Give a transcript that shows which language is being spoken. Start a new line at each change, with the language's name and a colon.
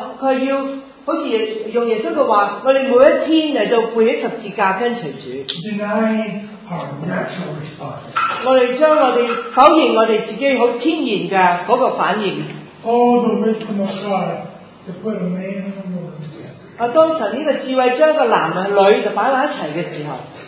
Cantonese: 佢要好似用耶稣嘅话，我哋每一天嚟到背起十字架跟随主。
English: Denying our natural response.
Cantonese: 我哋将我哋否认我哋自己好天然嘅嗰个反应。
English: All the wisdom of God to put a man and a woman together.
Cantonese: 当神呢个智慧将个男啊女就摆埋一齐嘅时候，